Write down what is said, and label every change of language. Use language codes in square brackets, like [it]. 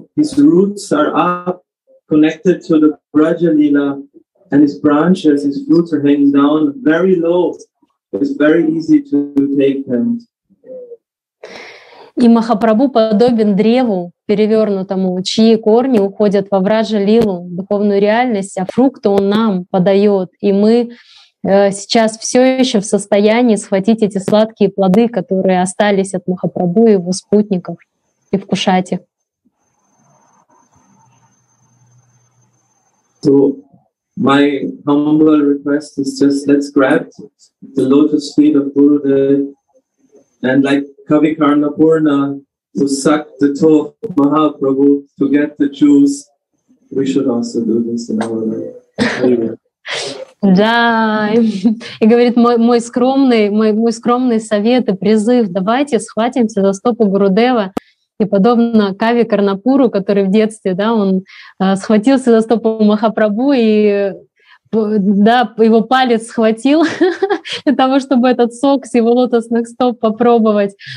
[en] His roots are up, connected to the Braja Leela, and his branches, his fruits are hanging down very low. It's very easy to take them. [ru] И Махапрабху подобен древу перевернутому, чьи корни уходят во Враджа Лилу, духовную реальность, а фрукты он нам подает. И мы сейчас все еще в состоянии схватить эти сладкие плоды, которые остались от Махапрабху и его спутников, и вкушать их. [en] So my humble request is just let's grab the lotus feet of Gurudev and like Kavi Karna Purna, to suck the toe of Mahaprabhu to get the juice, we should also do this in our life. [ru] Да, и говорит, мой скромный совет и призыв, давайте схватимся за стопу Гурудева. И подобно Каве Карнапуру, который в детстве, да, он схватился за стопу Махапрабху, и да, его палец схватил для того, чтобы этот сок с его лотосных стоп попробовать.